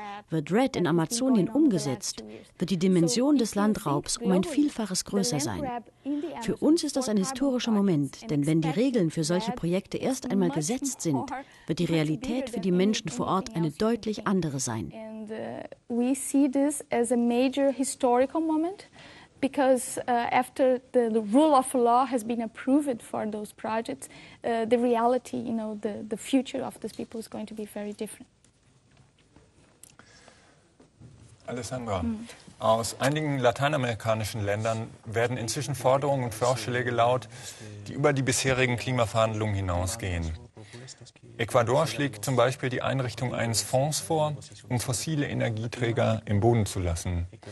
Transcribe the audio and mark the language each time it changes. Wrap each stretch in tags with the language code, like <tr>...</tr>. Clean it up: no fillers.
<de>Wird RED in Amazonien umgesetzt, wird die Dimension des Landraubs um ein Vielfaches größer sein. Für uns ist das ein historischer Moment, denn wenn die Regeln für solche Projekte erst einmal gesetzt sind, wird die Realität für die Menschen vor Ort eine deutlich andere sein.</de> <en>We see this as a major historical moment. Because after the rule of law has been approved for those projects, the reality, you know, the future of these people is going to be very different.</en> <de>Alessandra, aus einigen lateinamerikanischen Ländern werden inzwischen Forderungen und Vorschläge laut, die über die bisherigen Klimaverhandlungen hinausgehen. Ecuador schlägt zum Beispiel die Einrichtung eines Fonds vor, um fossile Energieträger im Boden zu lassen.</de>